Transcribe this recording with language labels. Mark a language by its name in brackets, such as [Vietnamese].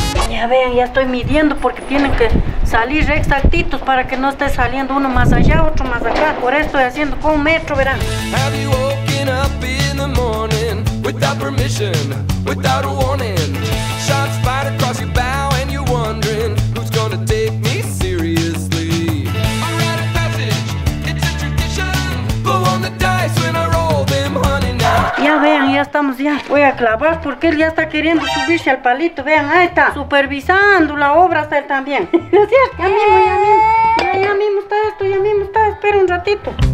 [Spanish] Ya vean, ya estoy midiendo porque tienen que salir exactitos para que no esté saliendo uno más allá, otro más acá. Por eso estoy haciendo con un metro, verán. [English] Have you woken up in the morning without permission, without a warning? Shots fired across your bow and you're wondering who's gonna take me seriously. A rite of passage, it's a tradition. Blow on the dice when I roll them, honey, now. [Spanish] Ya vean, ya ya estamos ya. Voy a clavar porque él ya está queriendo subirse al palito. Vean, ahí está. Supervisando la obra está él también. ¿No es cierto? Ya mismo está esto, ya mismo está. Espera un ratito.